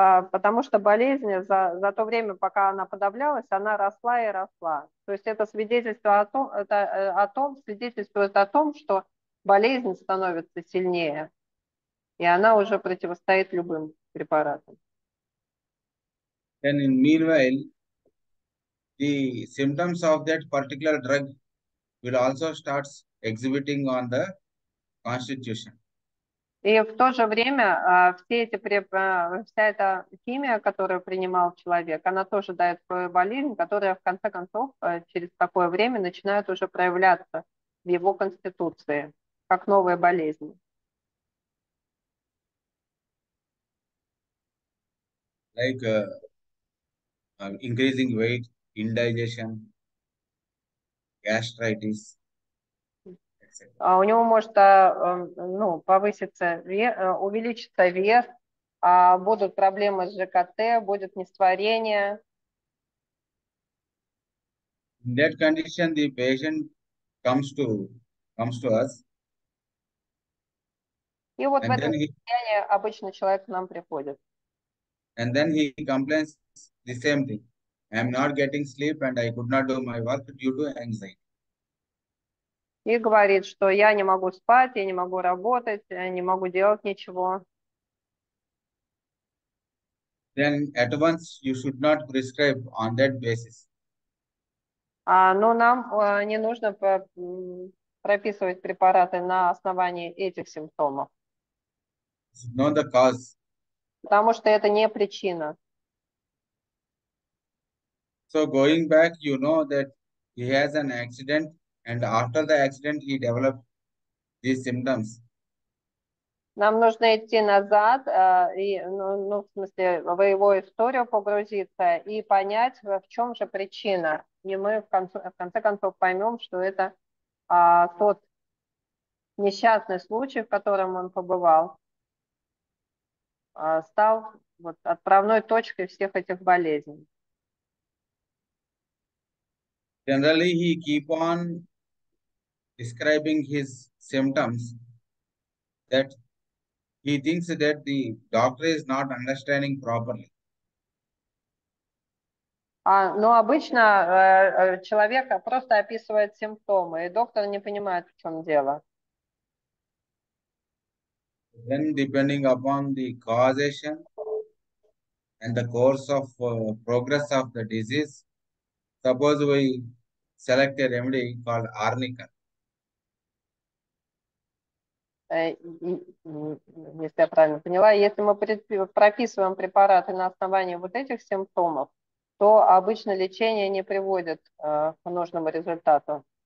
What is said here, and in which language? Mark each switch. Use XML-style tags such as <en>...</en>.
<ru>Потому что болезнь за то время, пока она подавлялась, она росла и росла. То есть это свидетельство о том, свидетельствует о том, что болезнь становится сильнее, и она уже противостоит любым препаратам.</ru> <en>Then in meanwhile, the symptoms of that particular drug will also start exhibiting on the Constitution.</en> <ru>И в то же время вся эта химия, которую принимал человек, она тоже дает свою болезнь, которая в конце концов через такое время начинает уже проявляться в его конституции, как новая болезнь.</ru> <en>Like increasing weight, indigestion, gastritis, etc.</en> <ru>У него может повыситься, увеличится вес, будут проблемы с ЖКТ, будет несварение.</ru> <en>In that condition, the patient comes to us,</en> <ru>И вот</ru> <en>and</en> <ru>в</ru> <en>then</en> <ru>этом состоянии обычно человек к нам приходит.</ru> <en>And then he complains the same thing. I am not getting sleep and I could not do my work due to anxiety.</en> <ru>И говорит, что я не могу спать, я не могу работать, я не могу делать ничего.</ru> <en>Then at once you should not prescribe on that basis.</en> <ru>Но нам не нужно прописывать препараты на основании этих симптомов.</ru> <en>It's not the cause.</en> <ru>Потому что это не причина.</ru> <en>So going back, you know that he has an accident, and after the accident he developed these symptoms.</en> <ru>Нам нужно идти назад, в смысле, в его историю погрузиться и понять, в чем же причина. И мы в конце концов поймем, что это тот несчастный случай, в котором он побывал, стал вот отправной точкой всех этих болезней.</ru> <en>Generally, he keep on describing his symptoms that he thinks that the doctor is not understanding properly.</en> <ru>Но обычно человек просто описывает симптомы, и доктор не понимает, в чем дело.</ru> <en>Then, depending upon the causation and the course of progress of the disease, suppose we select a remedy called arnica.</en> <ru>Если я правильно поняла, если мы прописываем препараты на основании вот этих симптомов, то обычно лечение не приводит к нужному результату.</ru>